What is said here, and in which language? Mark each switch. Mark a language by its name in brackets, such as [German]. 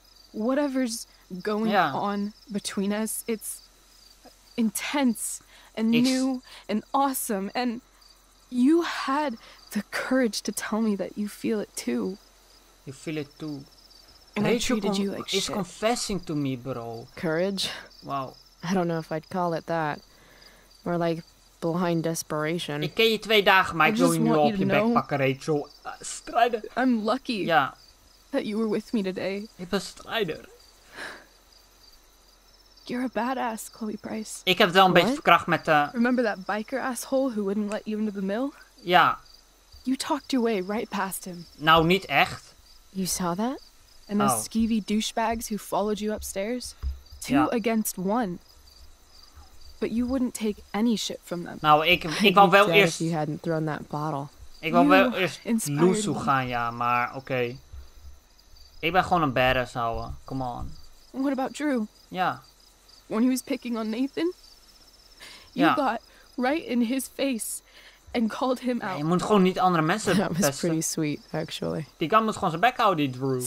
[English] Whatever's going on between us, it's intense and new and awesome. And you had the courage to tell me that you feel it too. You feel it too. And I treated you like shit. It's confessing to me, bro. Courage? Wow. I don't know if I'd call it that. More like... Blind desperation. [Dutch] Ik ken je 2 dagen, maar ik wil je nu op je bek pakken, Rachel. Strijder. [English] I'm lucky. [Dutch] Ja. [English] That you were with me today. [Dutch] Ik ben strijder. [English] You're a badass, Chloe Price. [Dutch] Ik heb het wel een beetje verkracht met de. [English] Remember that biker asshole who wouldn't let you into the mill? [Dutch] Ja. [English] You talked your way right past him. [Dutch] Nou, niet echt. [English] You saw that? And those skeevy douchebags who followed you upstairs? 2 against 1. But you wouldn't take any shit from them. [Dutch] Nou, ik wou wel eerst... [English] If you hadn't thrown that bottle. [Dutch] Ik wou wel eerst loesu gaan, ja, maar oké. Ik ben gewoon een badass, ouwe. [English] Come on. What about Drew? [Dutch] Ja. [English] When he was picking on Nathan? You got right in his face and called him out. [Dutch] Je moet gewoon niet andere mensen pesten. [English] That was pretty sweet, actually. [Dutch] Die kan moet gewoon zijn bek houden, die Drew.